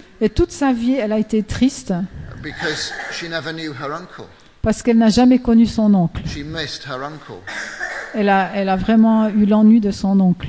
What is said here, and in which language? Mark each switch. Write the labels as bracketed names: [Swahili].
[French] et toute sa vie elle a été triste. [English] Because she never knew her uncle. [French] Parce qu'elle n'a jamais connu son oncle. [English] She missed her uncle. [French] Elle a vraiment eu l'ennui de son oncle.